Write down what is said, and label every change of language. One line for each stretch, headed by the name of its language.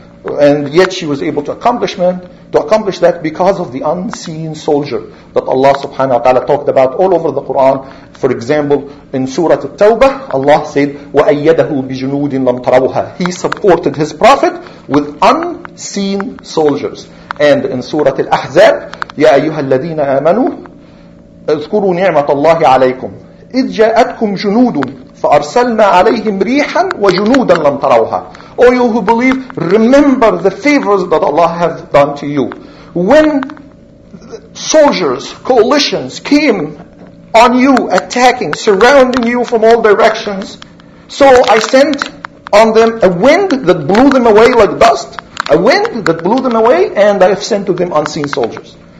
English: And yet she was able to accomplish that because of the unseen soldier that Allah subhanahu wa ta'ala talked about all over the Quran. For example, in Surah At-Tawbah, Allah said,
Arabic: وَأَيَّدَهُ بِجُنُودٍ لَمْ تَرَوْهَا.
English: He supported his prophet with unseen soldiers. And in Surah Al-Ahzab,
Arabic: يَا أَيُّهَا الَّذِينَ آمَنُوا اذْكُرُوا نِعْمَةَ اللَّهِ عَلَيْكُمْ إِذْ جَاءَتْكُمْ جُنُودٌ فَأَرْسَلْنَا عَلَيْهِمْ رِيحًا وَجُنُودًا لَمْ تَرَوْهَا.
English: O you who believe, remember the favors that Allah has done to you. When soldiers, coalitions came on you, attacking, surrounding you from all directions, So I sent on them a wind that blew them away like dust, a wind that blew them away, and I have sent to them unseen soldiers.